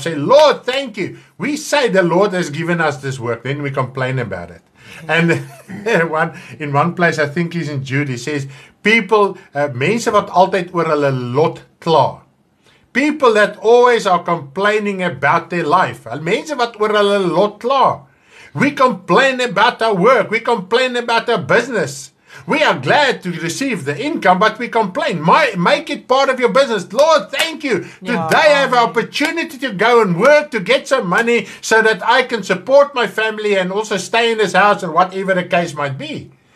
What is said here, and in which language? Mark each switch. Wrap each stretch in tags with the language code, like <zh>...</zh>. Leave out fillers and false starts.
<en>Say, Lord, thank you. We say the Lord has given us this work. Then we complain about it. And in one place, I think he's in Jude, he says,</en> <af>mense wat altyd oor hulle lot kla.</af> <en>People that always are complaining about their life.</en> <af>Mense wat oor hulle lot kla.</af> <en>We complain about our work. We complain about our business. We are glad to receive the income, but we complain. Make it part of your business. Lord, thank you. Today I have an opportunity to go and work to get some money so that I can support my family and also stay in this house and whatever the case might be.</en>